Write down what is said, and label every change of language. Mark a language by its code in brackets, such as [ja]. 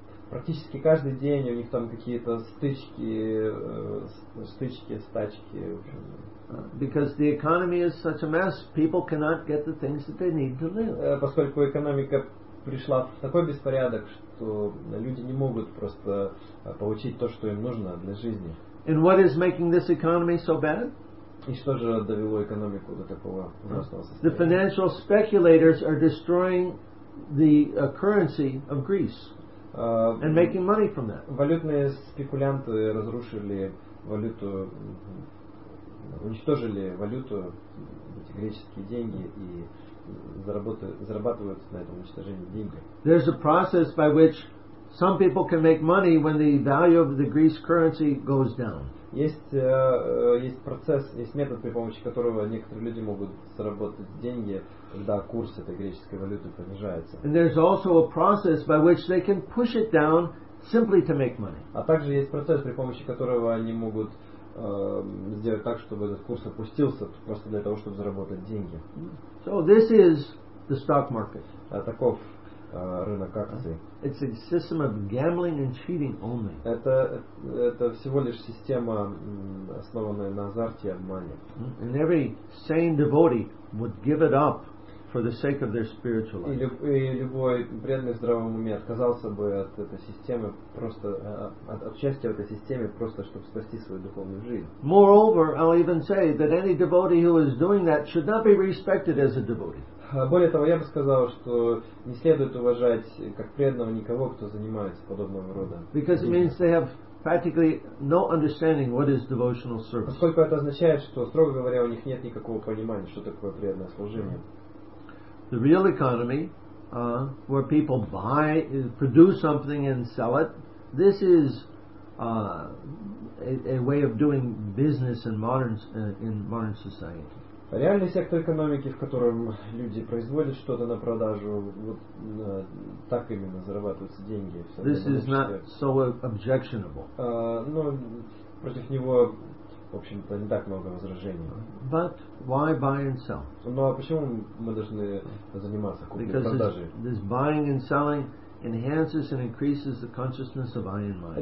[ru] Практически каждый день у них там какие-то стычки, стачки. [en] Because the economy is such a mess, people cannot get the things that they need to live. [ru] Поскольку экономика пришла в такой беспорядок, что люди не могут просто получить то, что им нужно для жизни. [en] And what is making this economy so bad? [ru] И что же довело экономику до такого ужасного состояния? [en] The financial speculators are destroying the currency of Greece and making money from that. [ru] Валютные спекулянты разрушили валюту, уничтожили валюту, эти греческие деньги, и зарабатывают на этом уничтожении деньги. [en] There's a process by which some people can make money when the value of the Greek currency goes down. [ru] Есть процесс, есть метод, при помощи которого некоторые люди могут заработать деньги, когда курс этой греческой валюты понижается. [en] And there's also a process by which they can push it down simply to make money. [ru] А также есть процесс, при помощи которого они могут сделать так, чтобы этот курс опустился просто для того, чтобы заработать деньги. [en] So this is the stock market. [ru] Таков рынок акций. [en] It's a system of gambling and cheating only. [ru] Это всего лишь система, основанная на азарте и обмане. [en] And every sane devotee would give it up for the sake of their spiritual life. [ru] И любой преданный в здравом уме отказался бы от этой системы, просто от участия в этой системе, просто чтобы спасти свою духовную жизнь. [en] Moreover, I'll even say that any devotee who is doing that should not be respected as a devotee. [ru] Более того, я бы сказал, что не следует уважать как преданного никого, кто занимается подобного рода. [en] Because it means they have practically no understanding what is devotional service. [ru] Поскольку это означает, что, строго говоря, у них нет никакого понимания, что такое преданное служение. [en] The real economy, where people buy, produce something and sell it, this is a way of doing business in modern society. [ru] Реальный сектор экономики, в котором люди производят что-то на продажу, вот так именно зарабатываются деньги. [en] This is not so objectionable. [ru] Но против него, в общем-то, не так много возражений. [en] But why buy and sell? [ru] Ну а почему мы должны заниматься купли-продажей? [en] Because this buying and selling enhances and increases the consciousness of I and mine.